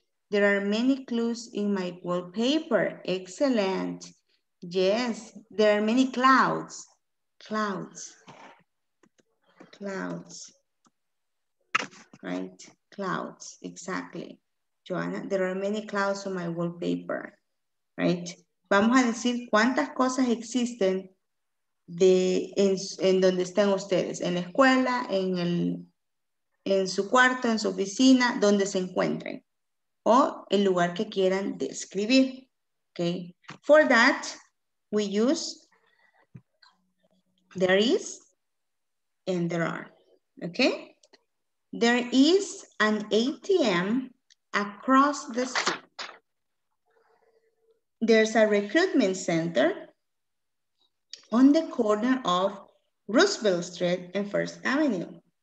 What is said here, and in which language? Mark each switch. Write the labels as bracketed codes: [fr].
[en] There are many clues in my wallpaper. Excellent. Yes, there are many clouds. Clouds. Right, clouds, exactly. Joanna, there are many clouds on my wallpaper, right? [es] Vamos a decir cuántas cosas existen en donde están ustedes, en la escuela, en su cuarto, en su oficina, donde se encuentren, o el lugar que quieran describir. Okay. [en] For that, we use there is and there are. Okay. There is an ATM across the street. There's a recruitment center on the corner of Roosevelt Street and First Avenue.